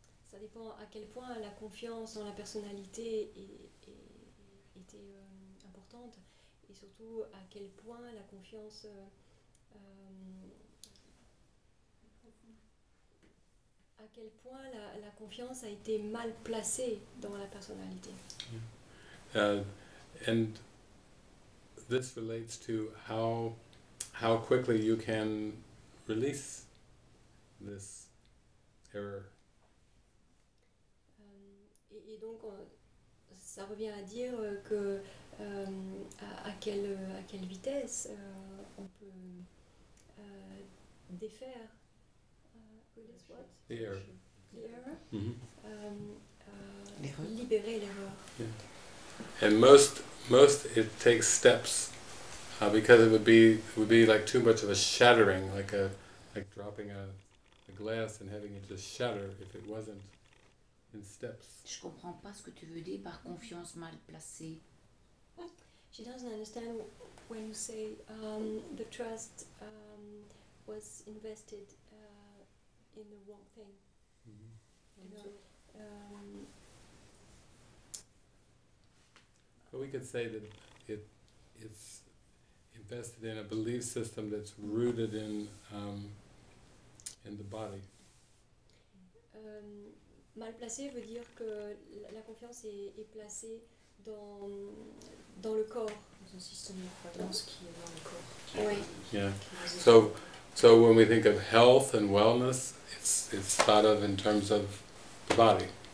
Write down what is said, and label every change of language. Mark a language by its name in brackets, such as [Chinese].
[French] Ça dépend à quel point la confiance en la personnalité était importante, et surtout à quel point la confiance à quel point la confiance a été mal placée dans la personnalité. [English] This relates to how quickly you can release this error. [French] Et donc ça revient à dire que à quelle vitesse on peut défaire [English] release what? The error. The error? Mm-hmm. [French] Libérer l'erreur. [English] Yeah. And most it takes steps. Because it would be like too much of a shattering, like dropping a glass and having it just shatter if it wasn't in steps. [French] Je comprends pas ce que tu veux dire par confiance mal placée. [English] She doesn't understand when you say the trust was invested in the wrong thing. Mm-hmm. You know, but we could say that it's invested in a belief system that's rooted in the body. [French] Mal placé veut dire que la confiance est placée dans le corps. Dans un système de croyance qui est dans le corps. Oui. [English] Yeah. So when we think of health and wellness, it's thought of in terms of the body.